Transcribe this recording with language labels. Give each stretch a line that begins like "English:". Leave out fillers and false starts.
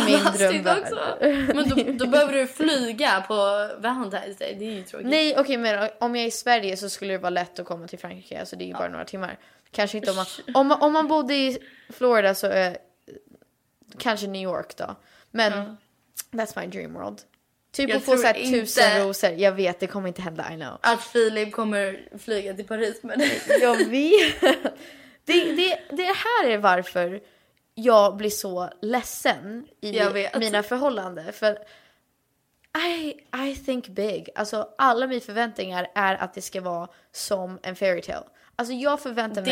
Swedish: fantastiskt också. Men då behöver du flyga på Valentine's Day. Det är ju tråkigt. Nej, okej, men om jag är i Sverige så skulle det vara lätt att komma till Frankrike. Alltså det är ju bara några timmar. Kanske inte om man bodde i Florida så är kanske New York då. Men
English: that's my dream world.
Swedish: Typ jag att få så här 1000 rosor. Jag vet, det kommer inte hända,
English: I know.
Swedish: Att Filip kommer flyga till Paris med dig. Jag vet. Det här är varför jag blir så ledsen i mina förhållanden. För
English: I think big.
Swedish: Alltså alla mina förväntningar är att det ska vara som en
English: fairy tale.
Swedish: Alltså jag förväntar mig...